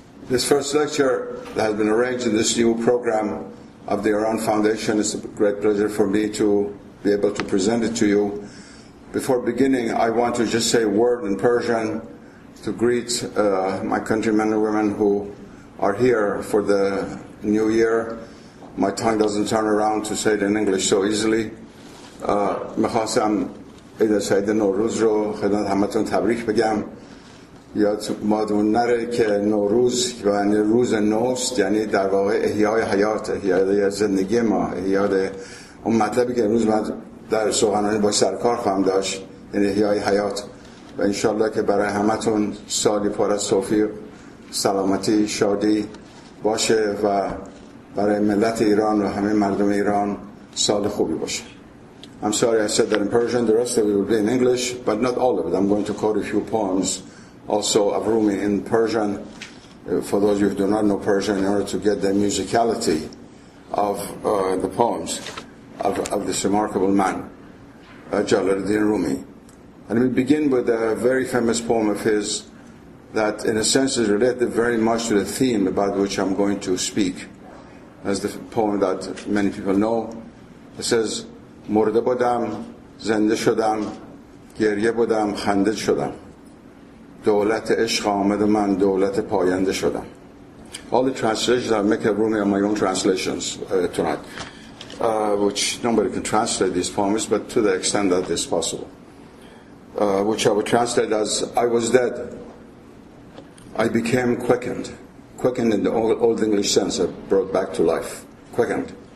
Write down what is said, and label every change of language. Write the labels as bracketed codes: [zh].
[en] This first lecture that has been arranged in this new program of the Iran Foundation, it's a great pleasure for me to be able to present it to you. Before beginning, I want to just say a word in Persian to greet my countrymen and women who are here for the new year. My tongue doesn't turn around to say it in English so easily. [fa] میخواستم عید سعید نوروز رو خدمت همتون تبریک بگم. یاد مادون نره که نوروز یعنی روز نوست، یعنی در واقع احیای حیات، احیای زندگی ما، احیای اون مطلبی که امروز من در سخنرانی با سرکار خواهم داشت، یعنی احیای حیات. و انشالله که برای همتون سالی پر از توفیق، سلامتی، شادی باشه و برای ملت ایران و همه مردم ایران سال خوبی باشه. [en] I'm sorry I said that in Persian, the rest of it will be in English, but not all of it. I'm going to quote a few poems also of Rumi in Persian, for those of you who do not know Persian, in order to get the musicality of the poems of this remarkable man, Jalaluddin Rumi. And we begin with a very famous poem of his that in a sense is related very much to the theme about which I'm going to speak, as the poem that many people know. It says, [fa] مرده بودم، زنده شدم، گریه بودم، خنده شدم، دولت عشق آمد و من دولت پاینده شدم. [en] All the translations I make of Rumi are my own translations tonight, which nobody can translate these poems, but to the extent that is possible, which I would translate as, I was dead, I became quickened, quickened in the old English sense of brought back to life, quickened.